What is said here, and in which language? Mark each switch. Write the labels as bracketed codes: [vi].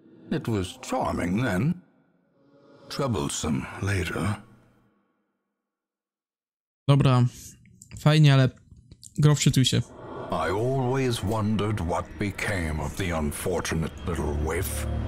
[en] It was charming then, troublesome later. [pl] Dobra, fajnie, ale gro, wczytuj się. [en] I always wondered what became of the unfortunate little waif.